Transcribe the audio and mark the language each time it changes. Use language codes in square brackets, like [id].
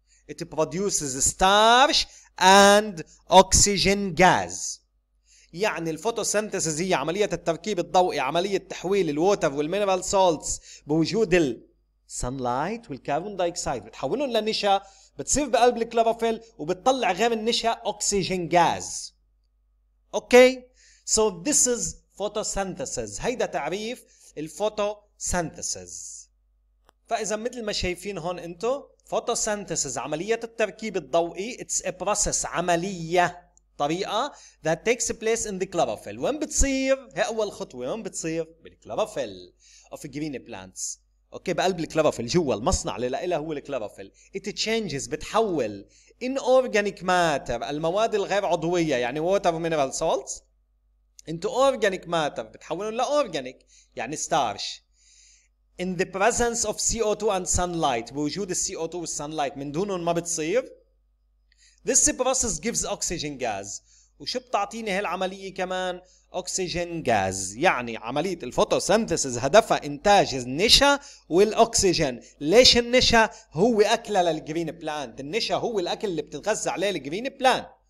[en] It produces starch and oxygen gas. [ar] يعني الفوتوسينثيسيس هي عملية التركيب الضوئي، عملية تحويل الووتر والمينرال سولتس بوجود السنلايت والكربون دايكسايد، بتحولهم لنشا، بتصير بقلب الكلوروفيل وبتطلع غير النشا أكسجين غاز. [en] Okay, so this is photosynthesis. [ar] هيدا تعريف الفوتوسينثيسيس. فإذا مثل ما شايفين هون أنتو، photosynthesis عملية التركيب الضوئي، [en] it's a process، [ar] عملية طريقة [en] that takes place in the chlorophyll. [ar] وين بتصير؟ هي أول خطوة، وين بتصير؟ بالكلوروفيل [en] of green plants. [ar] أوكي، بقلب الكلوروفيل جوا المصنع اللي لقيلها هو الكلوروفيل. [en] It changes، بتحول inorganic matter، [ar] المواد الغير عضوية يعني [en] water and mineral salts into organic matter، [ar] بتحولهم لorganic يعني [en] starch. In the presence of CO2 and sunlight، [ar] بوجود CO2 والsunlight، من دونهم ما بتصير. [en] This process gives oxygen gas. [ar] وشو بتعطيني هالعملية كمان؟ [en] Oxygen gas. [ar] يعني عملية الفوتوسينثيسيس هدفها إنتاج النشا والأكسجين. ليش النشا هو أكلة للجرين بلانت؟ النشا هو الأكل اللي بتتغذى عليه الجرين بلانت.